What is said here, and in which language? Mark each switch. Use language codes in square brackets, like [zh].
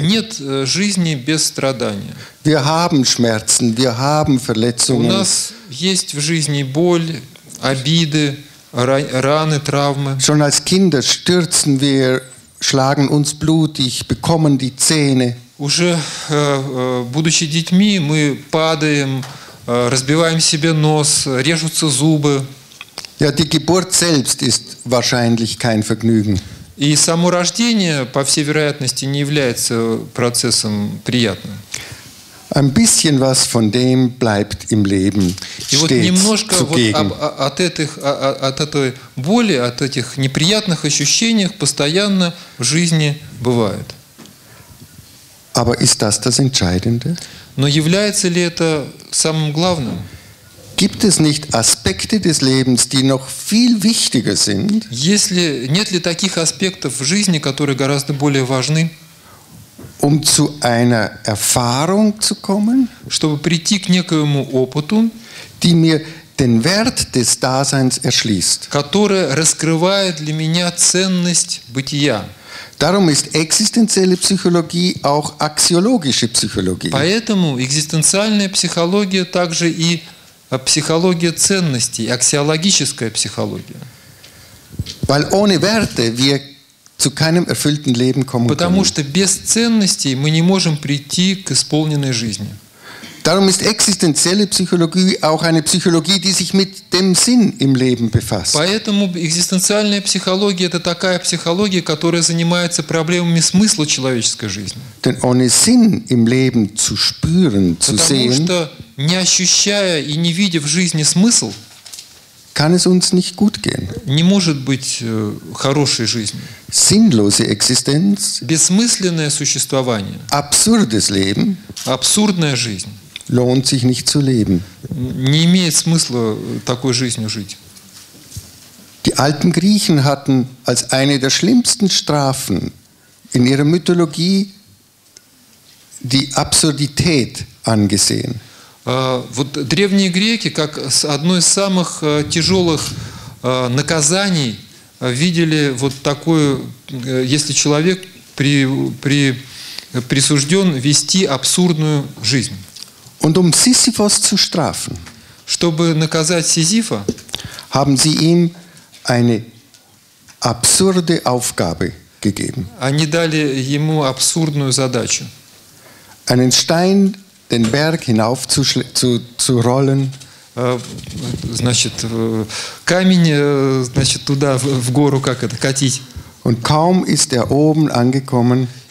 [ru] Нет жизни без страдания. [de] Wir haben Schmerzen, wir haben Verletzungen. [ru] У нас есть в жизни боль, обиды, раны, травмы. [de] Schon als Kinder stürzen wir, schlagen uns blutig, bekommen die Zähne. [ru] Уже будучи детьми, мы падаем, разбиваем себе нос, режутся зубы. [de] Ja, die Geburt selbst ist wahrscheinlich kein Vergnügen. [ru] И само рождение, по всей вероятности, не является процессом приятным. [de] Ein bisschen was von dem bleibt im Leben [ru] И вот немножко вот от этой боли, от этих неприятных ощущений постоянно в жизни бывает. [de] Aber ist das das Entscheidende? [ru] Но является ли это самым главным? [de] Gibt es nicht Aspekte des Lebens, die noch viel wichtiger sind? [ru] Если нет ли таких аспектов в жизни, которые гораздо более важны? [de] Um zu einer Erfahrung zu kommen, [ru] чтобы прийти к некоему опыту, [de] die mir den Wert des Daseins erschließt, [ru] которая раскрывает для меня ценность бытия. [de] Darum ist existenzielle Psychologie auch axiologische Psychologie. [ru] Поэтому экзистенциальная психология также и психология ценностей, аксиологическая психология. [de] Weil ohne Werte wir zu keinem erfüllten Leben kommen können. [ru] Потому что без ценностей мы не можем прийти к исполненной жизни. [de] Darum ist existenzielle Psychologie auch eine Psychologie, die sich mit dem Sinn im Leben befasst. [ru] Поэтому экзистенциальная психология – это такая психология, которая занимается проблемами смысла человеческой жизни. [de] Denn ohne Sinn im Leben zu spüren, zu sehen, [ru] потому что не ощущая и не видя в жизни смысл, [de] kann es uns nicht gut gehen. [ru] Не может быть хорошей жизни. [de] Sinnlose Existenz, [ru] бессмысленное существование, [de] absurdes Leben, [ru] абсурдная жизнь, [de] lohnt sich nicht zu leben. [ru] Не имеет смысла такой жизнью жить. [de] Die alten Griechen hatten als eine der schlimmsten Strafen in ihrer Mythologie die Absurdität angesehen. [ru] Вот древние греки как одно из самых тяжелых наказаний видели вот такое, если человек присужден вести абсурдную жизнь. [de] Und um Sisyphos zu strafen, [ru] чтобы наказать Сизифа, [de] haben sie ihm eine absurde Aufgabe gegeben. [ru] Они дали ему абсурдную задачу. [de] Einen Stein den Berg hinauf zu rollen. [ru] Значит, камень, значит, туда в гору как это катить. [de] Und kaum ist er oben angekommen.